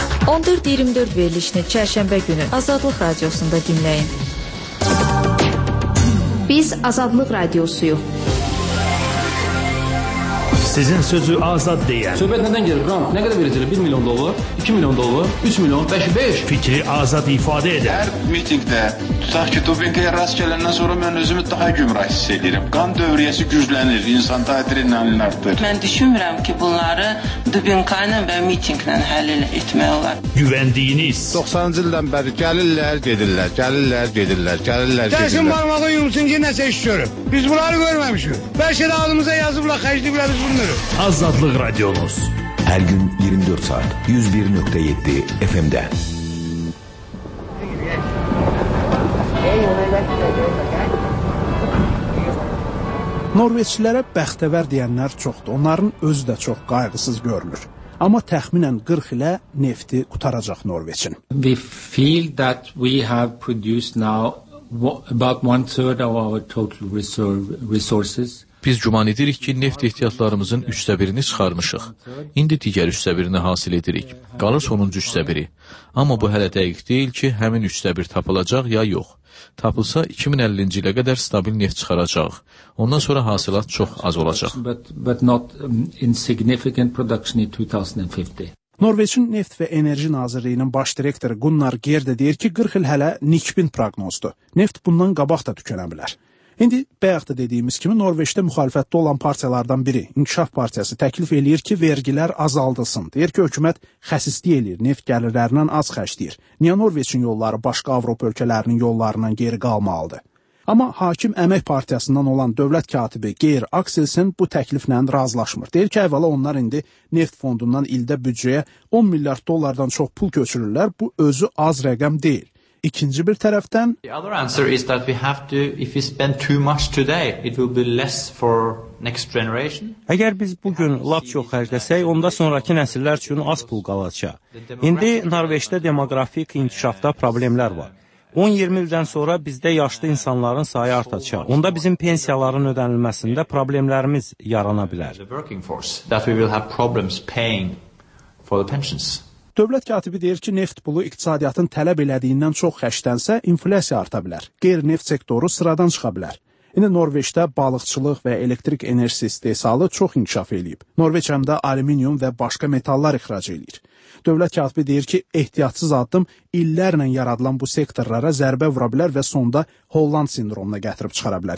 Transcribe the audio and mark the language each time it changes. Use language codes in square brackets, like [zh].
[az] 14-24 verilişini Çərşənbə günü Azadlıq Radiosunda dinləyin. Biz Azadlıq Radiosuyuq. Sizin sözü azad deyən. Söhbət nədən gəlir? Qram, nə qədər verəcəklər? 1 milyon dolar, 2 milyon dolar, 3 milyon, 5. Fikri azad ifadə edir. Hər mitinqdə tutaq ki, dopinqəyə rast gələndən sonra mən özümü daha gümrah hiss edirəm. Qan dövriyyəsi güclənir, insanda adrenalin artır. Mən düşünmürəm ki, bunları dopinqayla və mitinqlə həll etmək olar. Güvəndiyiniz. 90-cı ildən bəri gəlirlər, gedirlər, gəlirlər, gedirlər, gəlirlər, gedirlər. Gəlsin barmağın yumrusunca nəsə iş görür. Biz bunları görməmişik. Bəlkə də ağzımıza yazıblar, xərcləyiblər biz bunları. düşünürüm. Azadlık Radyonuz. Her gün 24 saat 101.7 FM'de. Norveçlilərə bəxtəvər deyənlər çoxdur. Onların özü də çox qayğısız görünür. Amma təxminən 40 ilə nefti qutaracaq Norveçin. [en] We feel that we have produced now about one third of our total resources. [az] Biz güman edirik ki, neft ehtiyatlarımızın üçdə birini çıxarmışıq. İndi digər üçdə birini hasil edirik. Qalır sonuncu üçdə biri. Amma bu hələ dəqiq deyil ki, həmin üçdə bir tapılacaq ya yox. Tapılsa, 2050-ci ilə qədər stabil neft çıxaracaq. Ondan sonra hasilat çox az olacaq. Norveçin Neft və Enerji Nazirliyinin baş direktoru Gunnar Gerd deyir ki, 40 il hələ nikbin proqnozdur. Neft bundan qabaq da tükənə bilər. İndi bayaq da dediyimiz kimi Norveçdə müxalifətdə olan partiyalardan biri İnkişaf Partiyası təklif eləyir ki, vergilər azaldılsın. Deyir ki, hökumət xəsislik eləyir, neft gəlirlərindən az xərcləyir. Niyə Norveçin yolları başqa Avropa ölkələrinin yollarından geri qalmalıdır? Amma hakim Əmək Partiyasından olan dövlət katibi Geir Axelsen bu təkliflə razılaşmır. Deyir ki, əvvəla onlar indi neft fondundan ildə büdcəyə 10 milyard dollardan çox pul köçürürlər. Bu özü az rəqəm deyil. İkinci bir tərəfdən [en] The other answer is that we have to if we spend too much today it will be less for next generation. [az] Əgər biz bu gün lap çox xərcləsək, onda sonrakı nəsillər üçün az pul qalacaq. İndi Norveçdə demoqrafik inkişafda problemlər var. 10-20 ildən sonra bizdə yaşlı insanların sayı artacaq. Onda bizim pensiyaların ödənilməsində problemlərimiz yarana bilər. [en] That we will have problems paying for the pensions. [az] Dövlət katibi deyir ki, neft pulu iqtisadiyyatın tələb elədiyindən çox xərclənsə, inflasiya arta bilər. Qeyri neft sektoru sıradan çıxa bilər. İndi Norveçdə balıqçılıq və elektrik enerjisi istehsalı çox inkişaf eləyib. Norveç həm də alüminium və başqa metallar ixrac eləyir. Dövlət katibi deyir ki, ehtiyatsız addım illərlə yaradılan bu sektorlara zərbə vura bilər və sonda Holland sindromuna gətirib çıxara bilər.